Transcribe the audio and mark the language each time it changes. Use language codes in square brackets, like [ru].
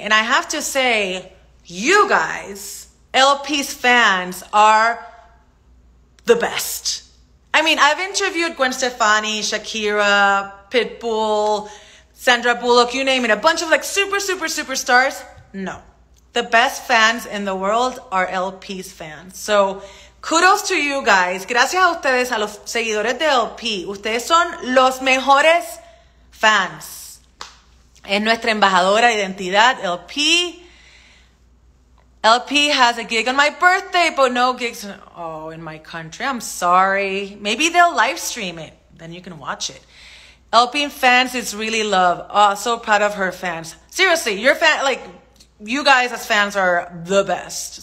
[en] And I have to say, you guys, LP's fans are the best. I mean, I've interviewed Gwen Stefani, Shakira, Pitbull, Sandra Bullock, you name it, a bunch of like super, super, super stars. No, the best fans in the world are LP's fans. So kudos to you guys. [es] Gracias a ustedes, a los seguidores de LP. Ustedes son los mejores fans. Es nuestra embajadora de identidad, LP. [en] LP has a gig on my birthday, but no gigs in my country. I'm sorry. Maybe they'll live stream it. Then you can watch it. LP fans is really love. Oh, so proud of her fans. Seriously, your fan, like, you guys as fans are the best.